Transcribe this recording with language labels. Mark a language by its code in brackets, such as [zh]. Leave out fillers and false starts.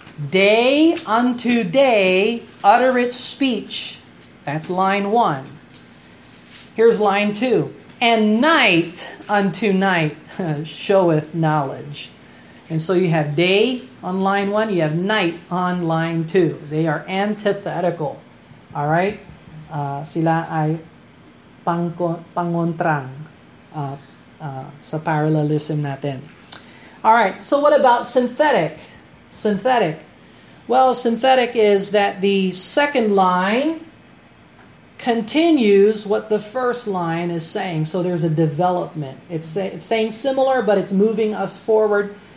[en] Day unto day utter its speech. That's line 1. Here's line 2. And night unto night showeth knowledge. And so you have day on line 1, you have night on line 2. They are antithetical. All right? [tl] Sila ay pangontrang sa parallelism natin. [en] All right, so what about synthetic? Synthetic. Well, synthetic is that the second line continues what the first line is saying. So there's a development. It's saying similar, but it's moving us forward.